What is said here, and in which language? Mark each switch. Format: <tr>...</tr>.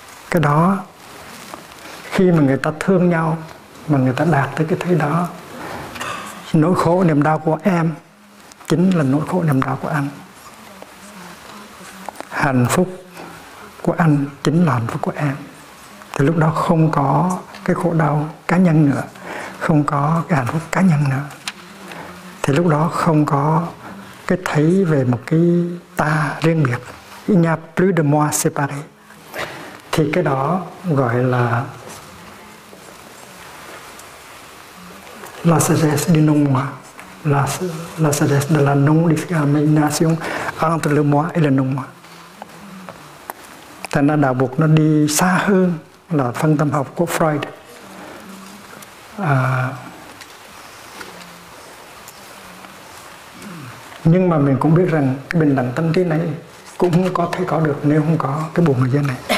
<vi>Cái đó, khi mà người ta thương nhau mà người ta đạt tới cái thế đó, nỗi khổ niềm đau của em chính là nỗi khổ niềm đau của anh, hạnh phúc của anh chính là hạnh phúc của em. Thì lúc đó không có cái khổ đau cá nhân nữa, không có cái hạnh phúc cá nhân nữa. Thì lúc đó không có cái thấy về một cái ta riêng biệt.</vi> <fr>Il n'y a plus de moi séparé.</fr> <vi>Thì cái đó gọi là</vi> <fr>la sagesse du non-moi. La sagesse de la non-discrimination entre le moi et le non-moi.</fr> <vi>Thành ra đạo Bụt nó đi xa hơn là phân tâm học của Freud. Nhưng mà mình cũng biết rằng cái bình đẳng tâm trí này cũng không có thể có được nếu không có cái buồn người dân này.</vi>